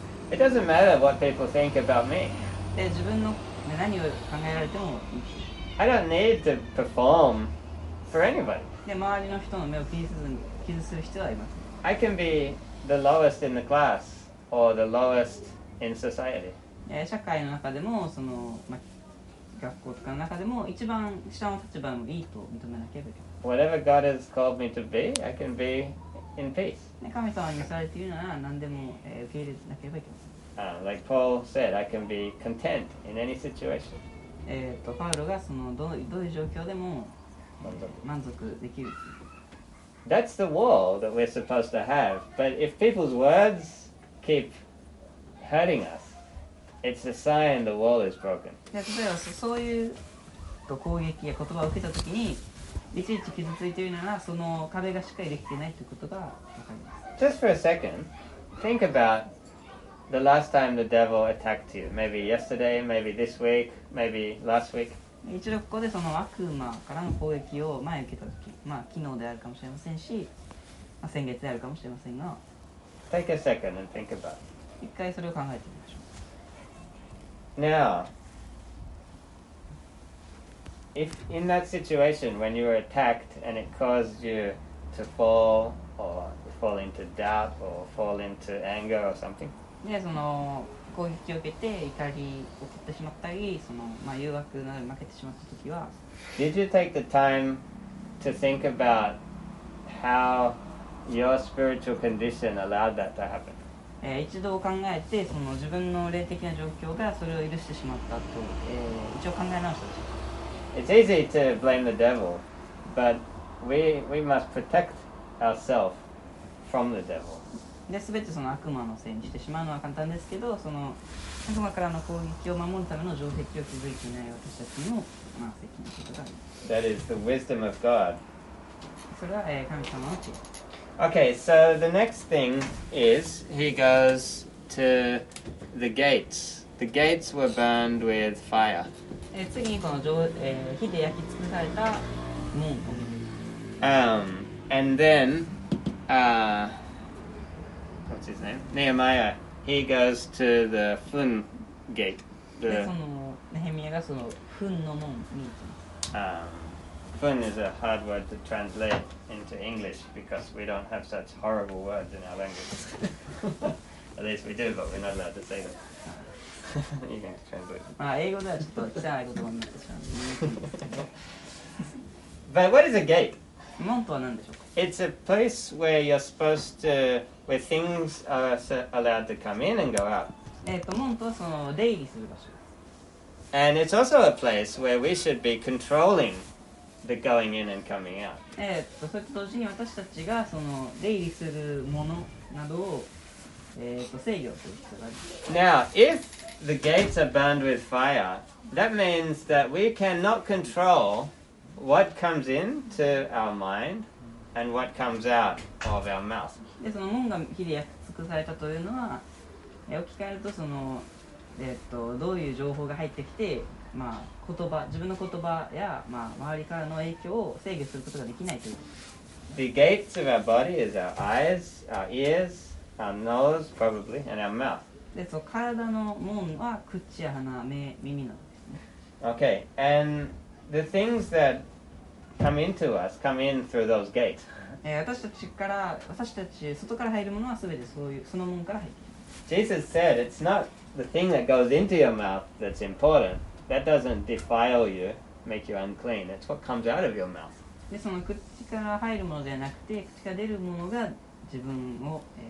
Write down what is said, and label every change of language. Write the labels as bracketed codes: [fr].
[en] It doesn't matter what people think about me. [ja] 自分の何を考えられてもいい。 [en] I don't need to perform for anybody. [ja] 周りの人の目を気にせずに傷する必要はありません。 [en] I can be the lowest in the class or the lowest in society. [ja] 社会の中でもその、学校とかの中でも一番下の立場もいいと認めなければいけない。 [en] Whatever God has called me to be, I can be. In peace. [ja] 神様にされているなら何でも、受け入れなければいけません。 [en] Like Paul said, I can be content in any situation. [ja] パウロがそのどういう状況でも、満足できる。 [en] That's the wall that we're supposed to have. But if people's words keep hurting us, it's a sign the wall is broken. [ja] 例えばそういう攻撃や言葉を受けたときに、いちいち傷ついているならその壁がしっかりできていないということがわかります。 [en] Just for a second, think about the last time the devil attacked you. Maybe yesterday, maybe this week, maybe last week. [ja] 一度ここでその悪魔からの攻撃を前受けたとき、昨日であるかもしれませんし、先月であるかもしれませんが。 [en] Take a second and think about [ja] it. 一回それを考えてみましょう。 [en] Now,If in that situation when you were attacked and it caused you to fall or fall into doubt or fall into anger or something. [ja] で、その攻撃を受けて怒りを起こってしまったり、その誘惑などに負けてしまった時は。 [en] Did you take the time to think about how your spiritual condition allowed that to happen? [ja] 一度考えて、その自分の霊的な状況がそれを許してしまったと、一応考え直したんです。 [en] It's easy to blame the devil, but we must protect ourselves from the devil. [ja] で、全てその悪魔のせいにしてしまうのは簡単ですけど、その悪魔からの攻撃を守るための城壁を築いていない私たちの、まあ、責任とか。 [en] That is the wisdom of God. [ja] それは、神様の知恵。 [en] Okay, so the next thing is, he goes to the gates. The gates were burned with fire. [ja] 次にこの火で焼き尽くされた門。 [en] And then, what's his name? Nehemiah. He goes to the Fun Gate. [ja] で、その、ネヘミヤがその、フンの門に行きます。 [en] フン is a hard word to translate into English because we don't have such horrible words in our language. At least we do, but we're not allowed to say them. You can translate them. [ja] まあ、英語ではちょっと汚い言葉になってしま [en] う。But what is a gate? [ja] 門とは何でしょうか? [en] It's a place where you're supposed to, where things are allowed to come in and go out. [ja] 門とはその出入りする場所です。 [en] And it's also a place where we should be controlling the going in and coming out. [ja] それと同時に私たちがその出入りするものなどを制御する必要がある。 [en] Now, if the gates are burned with fire, that means that we cannot controlWhat comes into our mind and what comes out of our mouth. [ja] で、その門が火で焼き尽くされたというのは、置き換えるとその、どういう情報が入ってきて、まあ、言葉、自分の言葉や、まあ、周りからの影響を制御することができないという。 [en] The gates of our body is our eyes, our ears, our nose, probably, and our mouth. [ja] で、その体の門は口や鼻、目、耳なんですね。 [en] Okay, and... The things that come into us come in through those gates. [ja] 私たち外から入るものはすべてそういうその門から入ってきます。 [en] Jesus said, it's not the thing that goes into your mouth that's important. That doesn't defile you, make you unclean. It's what comes out of your mouth. [ja] で、その口から入るものではなくて、口から出るものが自分を、